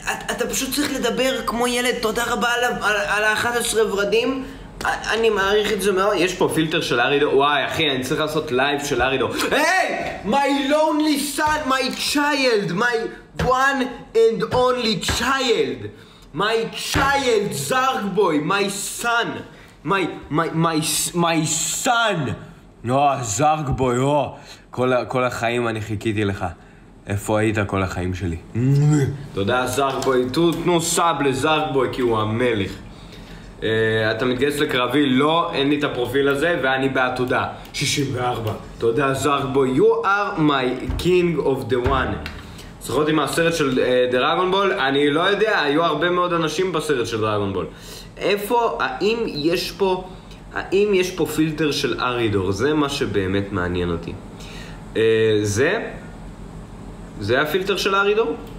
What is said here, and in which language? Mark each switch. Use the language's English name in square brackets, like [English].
[Hebrew] אתה פשוט צריך לדבר כמו ילד, תודה רבה על, על, על ה-11 ורדים. אני מעריך את זה מאוד. יש פה פילטר של ארידו, וואי אחי, אני צריך לעשות לייב של ארידו. היי! [English] My lonely son, my child, my one and only child, my child, Zark boy, my son, my son. [Hebrew] יואו, Zark boy, יואו. כל החיים אני חיכיתי לך. איפה היית כל החיים שלי? תודה, Zark boy, תנו סאב לזארק בוי, כי הוא המלך. אתה מתגייס לקרבי, לא, אין לי את הפרופיל הזה, ואני בעתודה. 64. תודה, Zark boy, [English] you are my king of the one. [Hebrew] זוכרת עם הסרט של דרגון בול? אני לא יודע, היו הרבה מאוד אנשים בסרט של דרגון בול. איפה, האם יש פה פילטר של ארידור? זה מה שבאמת מעניין אותי. זה הפילטר של ארידור?